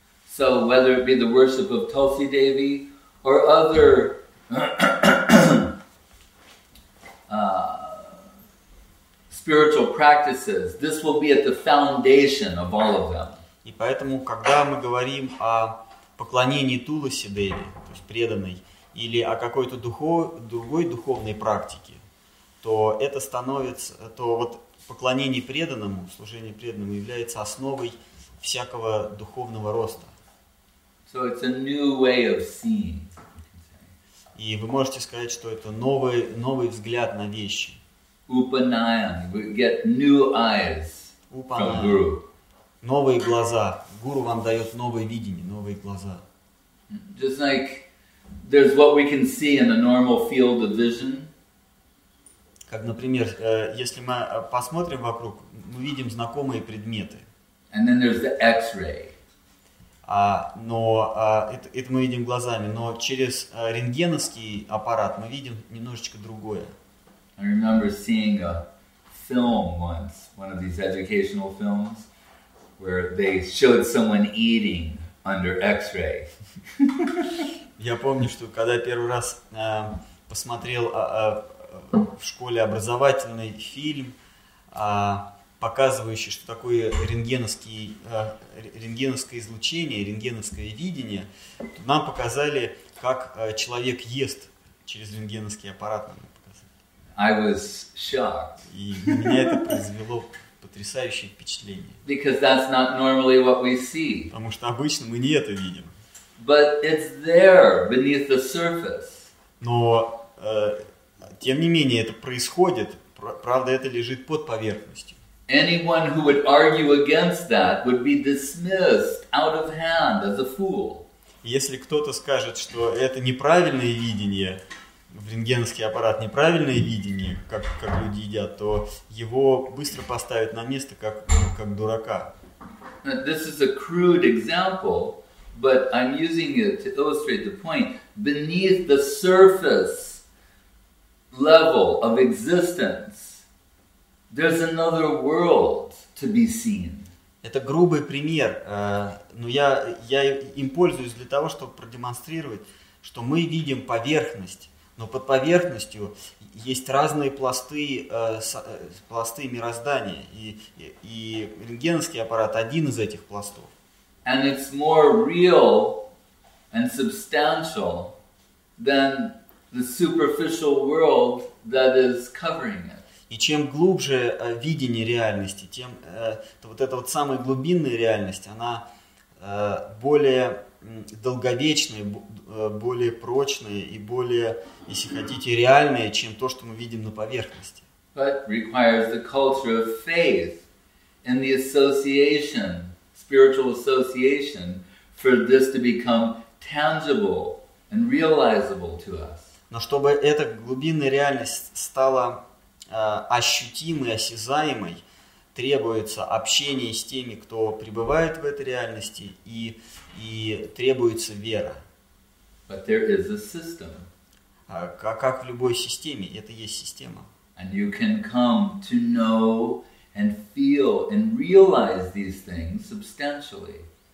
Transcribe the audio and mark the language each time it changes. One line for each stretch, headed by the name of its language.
English: So whether it be the worship of Tulsi Devi or other spiritual practices, this will be at the foundation of all of them.
Russian: И поэтому, когда мы говорим о поклонении Туласи Деви, то есть преданной, или о какой-то другой духовной практике, то это становится, то вот поклонение преданному, служение преданному является основой всякого духовного роста.
English: So it's a new way of seeing.
Russian: И вы можете сказать, что это новый взгляд на вещи.
English: Upanayan, we get new eyes from Guru.
Russian: Новые глаза. Гуру вам дает новое видение, новые глаза.
English: Just like there's what we can see in a normal field of vision.
Russian: Как, например, если мы посмотрим вокруг, мы видим знакомые предметы.
English: And then there's the X-ray.
Russian: Но это мы видим глазами. Но через рентгеновский аппарат мы видим немножечко другое.
English: I remember seeing a film once, one of these educational films, where they showed someone eating under X-ray.
Russian: Я помню, что когда я первый раз посмотрел в школе образовательный фильм, показывающий, что такое рентгеновское излучение, рентгеновское видение, то нам показали, как человек ест через рентгеновский аппарат.
English: I was shocked.
Russian: И меня это произвело потрясающее впечатление.
English: Because that's not normally what we see.
Russian: Потому что обычно мы не это видим.
English: But it's there beneath the surface.
Russian: Но тем не менее это происходит, правда, это лежит под поверхностью.
English: Anyone who would argue against that would be dismissed out of hand as a fool.
Russian: Если кто-то скажет, что это неправильное видение, в рентгеновский аппарат неправильное видение, как люди едят, то его быстро поставят на место, как дурака.
English: This is a crude example, but I'm using it to illustrate the point. Beneath the surface level of existence, there's another world to be seen.
Russian: Это грубый пример, но я им пользуюсь для того, чтобы продемонстрировать, что мы видим поверхность, но под поверхностью есть разные пласты мироздания, и рентгеновский аппарат один из этих пластов.
English: And it's more real and substantial than the superficial world that is covering it.
Russian: И чем глубже видение реальности, тем вот эта вот самая глубинная реальность, она более долговечные, более прочные и более, если хотите, реальные, чем то, что мы видим на поверхности.
English: But requires the culture of faith and the association, spiritual association, for this to become tangible and realizable to us.
Russian: Но чтобы эта глубинная реальность стала ощутимой, осязаемой, требуется общение с теми, кто пребывает в этой реальности, и требуется вера.
English: But there is a system.
Russian: Как в любой системе, это есть система.
English: And you can come to know and feel and realize these things substantially.